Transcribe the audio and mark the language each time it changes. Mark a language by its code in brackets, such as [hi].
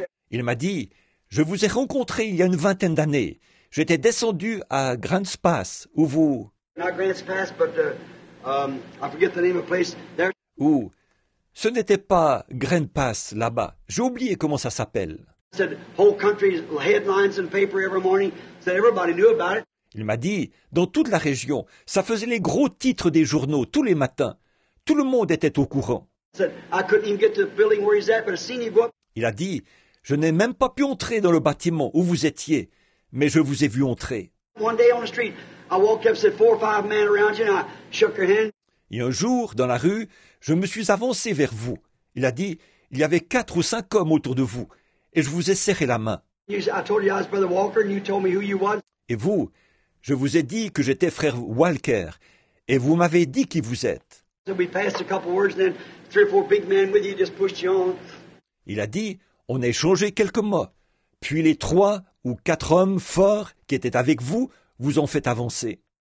[fr] Il m'a dit, je vous ai rencontré il y a une vingtaine d'années. J'étais descendu à Grants Pass, où vous... [en] Not Grants Pass, but the... I forget the name of place there. [fr] Ou, ce n'était pas Grand Pass là-bas. J'ai oublié comment ça s'appelle. [en] Said whole country's headlines in paper every morning. Said everybody knew about it. [fr] Il m'a dit, dans toute la région, ça faisait les gros titres des journaux tous les matins. Tout le monde était au courant. [en] Said I couldn't even get to the building where he's at, but I seen him go up. [fr] Il a dit, je n'ai même pas pu entrer dans le bâtiment où vous étiez, mais je vous ai vu entrer. [en] One day on the street. I walked up, said four or five men around you, and I shook your hand. [fr] Et un jour, dans la rue, je me suis avancé vers vous. Il a dit, il y avait 4 ou 5 hommes autour de vous, et je vous ai serré la main. [en] I told you I was Brother Walker, and you told me who you was. [fr] Et vous, je vous ai dit que j'étais Frère Walker, et vous m'avez dit qui vous êtes. [en] So we passed a couple words, and then three or four big men with you just pushed you on. [fr] Il a dit, on a échangé quelques mots, puis les 3 ou 4 hommes forts qui étaient avec vous, vous en faites avancer.